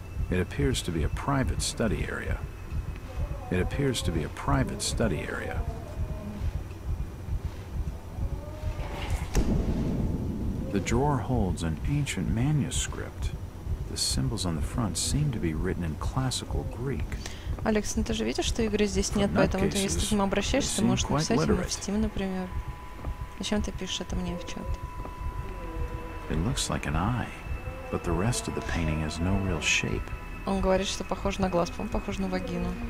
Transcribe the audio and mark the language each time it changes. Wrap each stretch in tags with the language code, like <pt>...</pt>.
<en>It appears to be a private study area. It appears to be a private study area. The drawer holds an ancient manuscript. The symbols on the front seem to be written in classical Greek.</en> <ru>Alex, ну ты же видишь, что игры здесь нет, поэтому ты, если к ним обращаешься, можешь написать мне в Steam, например. Зачем ты пишешь это мне в чат?</ru> <en>It looks like an eye, but the rest of the painting has no real shape.</en> <ru>Он говорит, что похоже на глаз, по-моему, похоже на вагину.</ru>